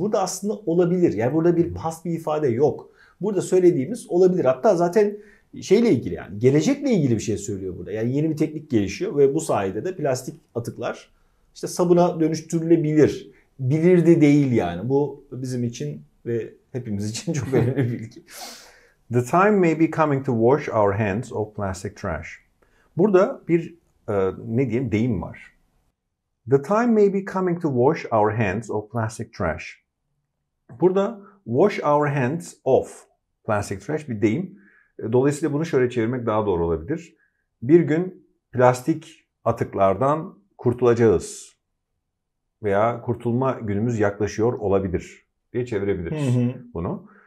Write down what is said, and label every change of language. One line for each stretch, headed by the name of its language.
Turkish: Burada aslında olabilir. Yani burada bir past bir ifade yok. Burada söylediğimiz olabilir. Hatta zaten şeyle ilgili yani gelecekle ilgili bir şey söylüyor burada. Yani yeni bir teknik gelişiyor ve bu sayede de plastik atıklar İşte sabuna dönüştürülebilir. Bilirdi değil yani. Bu bizim için ve hepimiz için çok önemli bir bilgi.
English: The time may be coming to wash our hands of plastic trash.
Turkish: Burada bir ne diyeyim deyim var.
English: The time may be coming to wash our hands of plastic trash.
Turkish: Burada
English: wash our hands of plastic trash
Turkish: bir deyim. Dolayısıyla bunu şöyle çevirmek daha doğru olabilir. Bir gün plastik atıklardan kurtulacağız veya kurtulma günümüz yaklaşıyor olabilir diye çevirebiliriz bunu.